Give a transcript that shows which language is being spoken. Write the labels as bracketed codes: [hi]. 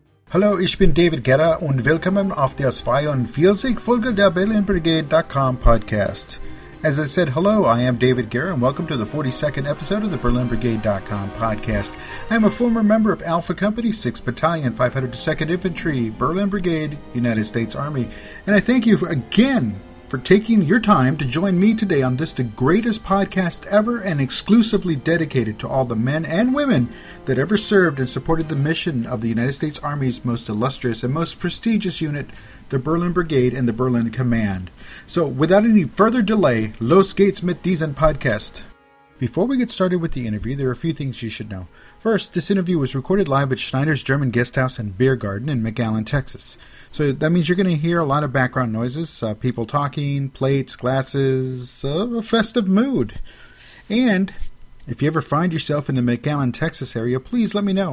[de] Hallo, ich bin David Guerra und willkommen auf der 42. Folge der BerlinBrigade.com Podcast. [en] As I said, hello, I am David Guerra and welcome to the 42nd episode of the BerlinBrigade.com Podcast. I am a former member of Alpha Company, 6th Battalion, 502nd Infantry, Berlin Brigade, United States Army. And I thank you again for taking your time to join me today on this, the greatest podcast ever and exclusively dedicated to all the men and women that ever served and supported the mission of the United States Army's most illustrious and most prestigious unit, the Berlin Brigade and the Berlin Command. So without any further delay, [de] los geht's mit diesem Podcast. [en] Before we get started with the interview, there are a few things you should know. First, this interview was recorded live at Schneider's German Guesthouse and Beer Garden in McAllen, Texas. So that means you're going to hear a lot of background noises, people talking, plates, glasses, a festive mood. And if you ever find yourself in the McAllen, Texas area, please let me know.